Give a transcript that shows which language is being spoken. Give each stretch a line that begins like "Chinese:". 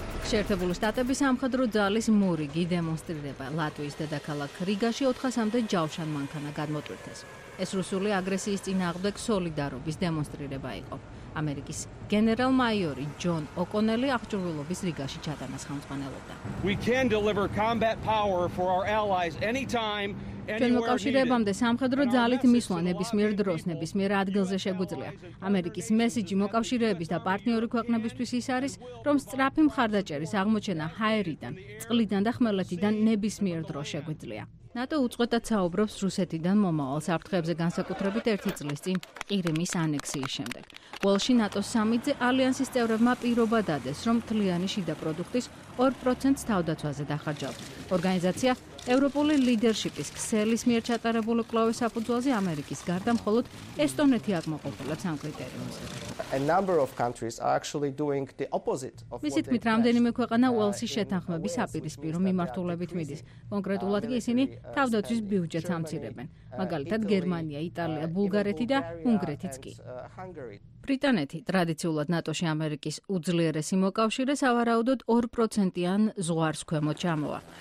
Georgian: შეერთებული შტატების სამხედრო ძალის მურიგი დემონსტრირება ლატვიის დედაქალაქ რიგაში 400-მდე ჯავშან მანქანა გადმოტვირთეს. ეს რუსული აგრესიის წინააღმდეგ სოლიდარობის დემონსტრირება იყო. ამერიკის გენერალ-მაიორი ჯონ ოკონელი აღჭურვილობის რიგაში ჩატანას ხელმძღვანელობდა.
English: We can deliver combat power for our allies anytime.
Georgian: ჩვენ მოკავშირეებამდე სამხედრო ძალით მისვლა ნებისმიერ დროს ნებისმიერ ადგილზე შეგვიძლია. ამერიკის მესიჯი მოკავშირეების და პარტნიორი ქვეყნებისთვის ის არის, რომ სწრაფი მხარდაჭერის აღმოჩენა ჰაერიდან, წყლიდან და ხმელეთიდან ნებისმიერ დროს შეგვიძლია. ნატო უწყვეტად საუბრობს რუსეთიდან მომავალ საფრთხეებზე განსაკუთრებით ერთი წლის წინ ყირიმის ანექსიის შემდეგ. უელში ნატოს სამიტზე ალიანსის წევრებმა პირობა დადეს, რომ მთლიანი შიდა პროდუქტის 2% თავდაცვაზე დახარჯავთ. ორგანიზაცია ევროპული ლიდერშიპის ქსელის მიერ ჩატარებული კვლევის საფუძველზე ამერიკის გარდა მხოლოდ ესტონეთი აკმაყოფილებს ამ კრიტერიუმს.
English: A number of countries are actually doing the opposite of what they said.
Georgian: მისით რამდენიმე ქვეყანა უელსის შეთანხმების საპირისპირო მიმართულებით მიდის. კონკრეტულად კი ისინი თავდაცვის ბიუჯეტს ამცირებენ. მაგალითად გერმანია, იტალია, ბულგარეთი და უნგრეთიც კი. ბრიტანეთი ტრადიციულად ნატოში ამერიკის უძლიერესი მოკავშირე სავარაუდოდ 2%-იან ზღვარს ქვემოთ ჩამოვა.